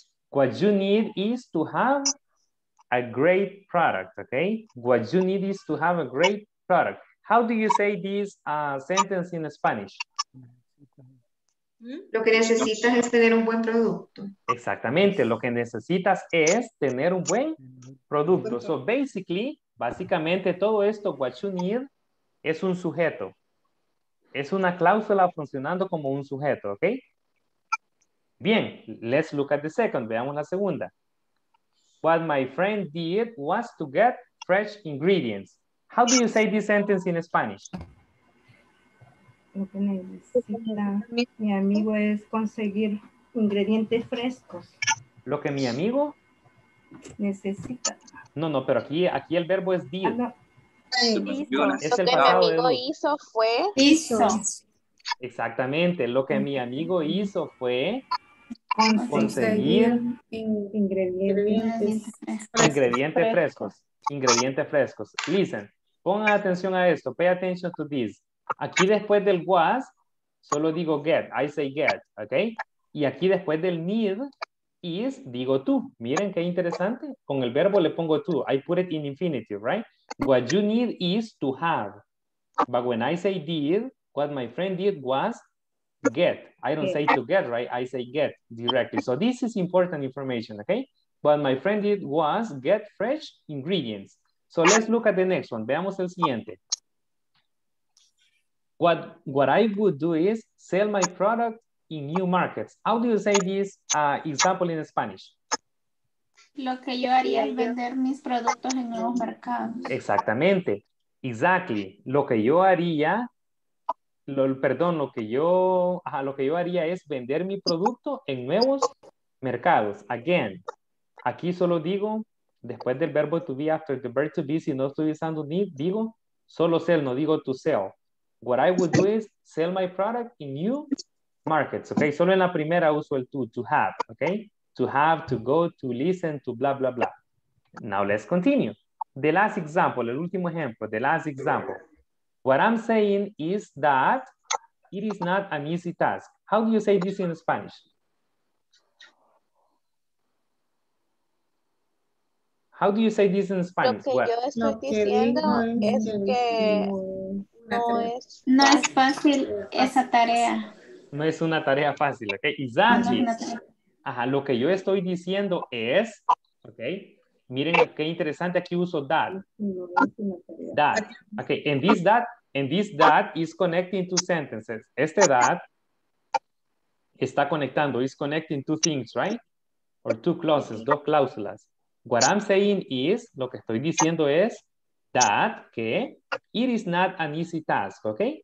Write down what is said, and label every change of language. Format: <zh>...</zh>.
<en>What you need is to have a great product, okay? What you need is to have a great product. How do you say this sentence in Spanish?</en> <es>Lo que necesitas es tener un buen producto. Exactamente, lo que necesitas es tener un buen producto.</es> <en>So basically,</en> <es>básicamente todo esto,</es> <en>what you need,</en> <es>es un sujeto. Es una cláusula funcionando como un sujeto, ¿ok?</es> <en>Bien, let's look at the second.</en> <es>Veamos la segunda.</es> <en>What my friend did was to get fresh ingredients. How do you say this sentence in Spanish?</en> <es>Lo que necesita mi amigo es conseguir ingredientes frescos. Lo que mi amigo necesita. No, pero aquí el verbo es did. Hizo. Lo que mi amigo hizo fue hizo. Exactamente, lo que mi amigo hizo fue conseguir ingredientes frescos.</es> <en>Listen,</en> <es>pongan atención a esto.</es> <en>Pay attention to this.</en> <es>Aquí después del was solo digo get.</es> <en>I say get, okay?</en> <es>Y aquí después del need is, digo tú. Miren qué interesante. Con el verbo le pongo tú.</es> <en>I put it in infinitive, right? What you need is to have. But when I say did, what my friend did was get. I don't say to get, right? I say get directly. So this is important information, okay? What my friend did was get fresh ingredients. So let's look at the next one.</en> <es>Veamos el siguiente.</es> <en>What I would do is sell my product in new markets. How do you say this example in Spanish?</en> <es>Lo que yo haría es vender mis productos en nuevos mercados. Exactamente.</es> <en>Exactly.</en> <es>Lo que yo haría, lo que yo haría es vender mi producto en nuevos mercados. Again, aquí solo digo, después del verbo to be,</es> <en>after the verb to be,</en> <es>si no estoy usando need, digo solo sell, no digo to sell.</es> <en>What I would do is sell my product in new markets, okay?</en> <es>Solo en la primera uso el to have, okay?</es> <en>To have, to go, to listen, to blah, blah, blah. Now let's continue. The last example,</en> <es>el último ejemplo,</es> <en>the last example. What I'm saying is that it is not an easy task. How do you say this in Spanish? How do you say this in Spanish?</en> <es>Lo que yo estoy diciendo es que no es fácil esa tarea. No es una tarea fácil, ¿ok?</es> <en>Exactly.</en> <es>Ajá, lo que yo estoy diciendo es, ¿ok? Miren qué interesante, aquí uso that. That.</es> <en>Ok, and this that is connecting two sentences.</en> <es>Este that está conectando,</es> <en>is connecting two things, right? Or two clauses,</en> <es>dos cláusulas.</es> <en>What I'm saying is,</en> <es>lo que estoy diciendo es</es> <en>that, que it is not an easy task, okay?</en>